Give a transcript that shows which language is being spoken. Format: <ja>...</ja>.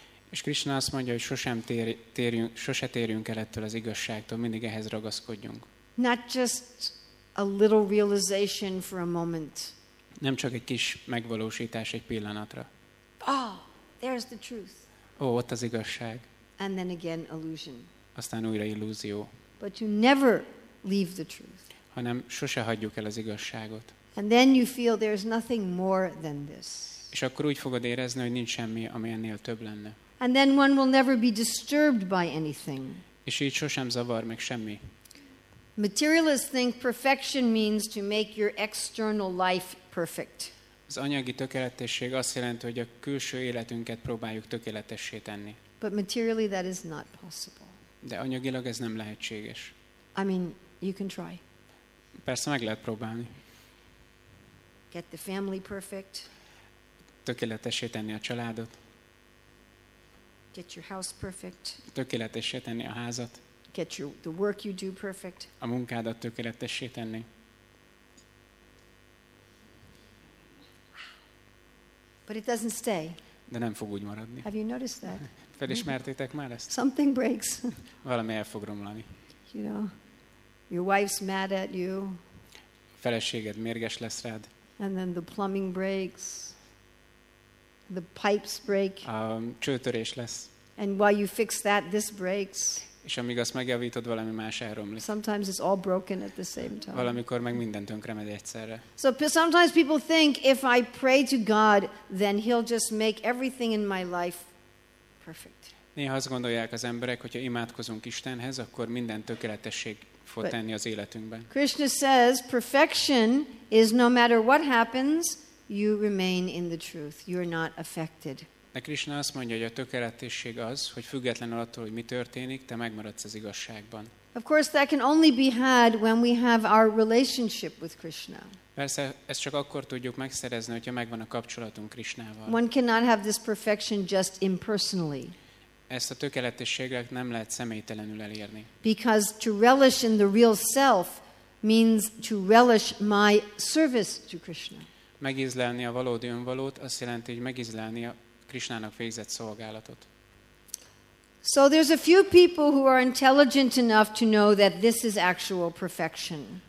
<hu>És Krishna azt mondja, hogy sose térjünk el ettől az igazságtól, mindig ehhez ragaszkodjunk.</hu> <en>Not just a little realization for a moment.</en> <hu>Nem csak egy kis megvalósítás egy pillanatra.</hu> <en>Oh, there's the truth.</en> <hu>Ó, ott az igazság.</hu> <en>And then again illusion.</en> <hu>Aztán újra illúzió.</hu> <en>But you never leave the truth.</en> <hu>Hanem sose hagyjuk el az igazságot.</hu> <en>And then you feel there's nothing more than this.</en> <hu>És akkor úgy fogod érezni, hogy nincs semmi, ami ennél több lenne.</hu> <en>And then one will never be disturbed by anything.</en> <hu>És így sosem zavar meg semmi.</hu> <en>Materialists think perfection means to make your external life perfect.</en> <hu>Az anyagi tökéletesség azt jelenti, hogy a külső életünket próbáljuk tökéletessé tenni.</hu> <en>But materially that is not possible.</en> <hu>De anyagilag ez nem lehetséges.</hu> <en>I mean, you can try.</en> <hu>Persze meg lehet próbálni.</hu> <en>Get the family perfect.</en> <hu>Tökéletessé tenni a családot.</hu> <en>Get your house perfect.</en> <hu>Tökéletessé tenni a házat.</hu> <en>Get your, the work you do perfect.</en> <hu>A munkádat tökéletessé tenni.</hu> <en>But it doesn't stay.</en> <hu>De nem fog úgy maradni.</hu> <en>Have you noticed that?</en> <hu>Felismertétek már ezt?</hu> <en>Something breaks.</en> <hu>Valami el fog romlani.</hu> <en>You know, your wife's mad at you.</en> <hu>Feleséged mérges lesz rád.</hu> <en>And then the plumbing breaks. The pipes break.</en> <hu>A csőtörés lesz.</hu> <en>And while you fix that, this breaks.</en> <hu>És amíg azt megjavítod, valami más elromlik.</hu> <en>Sometimes it's all broken at the same time.</en> <hu>Valamikor meg minden tönkremegy egyszerre.</hu> <en>So sometimes people think if I pray to God, then he'll just make everything in my life perfect.</en> <hu>Néha azt gondolják az emberek, hogyha imádkozunk Istenhez, akkor minden tökéletesség fog tenni az életünkben.</hu> <en>Krishna says perfection is no matter what happens, you remain in the truth. You're not affected.</en> <hu>De Krishna azt mondja, hogy a tökéletesség az, hogy függetlenül attól, hogy mi történik, te megmaradsz az igazságban.</hu> <en>Of course, that can only be had when we have our relationship with Krishna.</en> <hu>Persze, ezt csak akkor tudjuk megszerezni, hogyha megvan a kapcsolatunk Krishnával.</hu> <en>One cannot have this perfection just impersonally.</en> <hu>Ezt a tökéletességet nem lehet személytelenül elérni.</hu> <en>Because to relish in the real self means to relish my service to Krishna.</en> <hu>Megízlelni a valódi önvalót azt jelenti, hogy megízlelni a Krishnának végzett szolgálatot.</hu> <en>So there's a few people who are intelligent enough to know that this is actual perfection.</en>